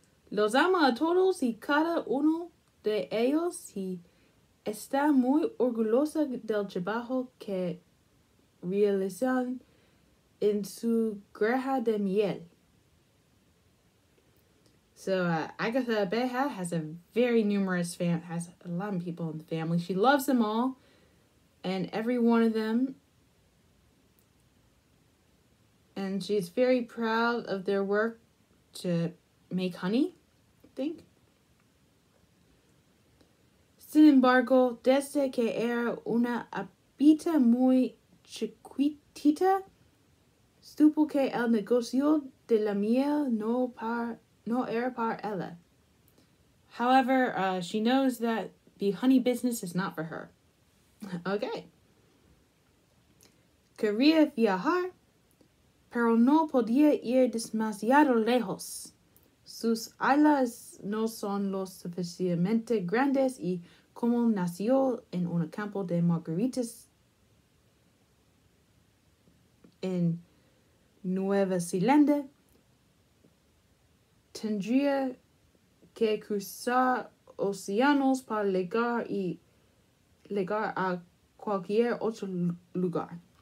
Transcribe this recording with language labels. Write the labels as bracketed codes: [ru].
[es] Los ama a todos y cada uno de ellos y está muy orgullosa del trabajo que realizan en su granja de miel. [en] So Agatha Abeja has a very numerous family, has a lot of people in the family. She loves them all, and every one of them. And she's very proud of their work to make honey, I think. [es] Sin embargo, desde que era una abita muy chiquitita, supo que el negocio de la miel no era para ella. [en] However, she knows that the honey business is not for her. Okay. [es] Quería viajar, pero no podía ir demasiado lejos. Sus alas no son lo suficientemente grandes y como nació en un campo de margaritas en Nueva Zelanda, tendría que cruzar océanos para llegar a cualquier otro lugar.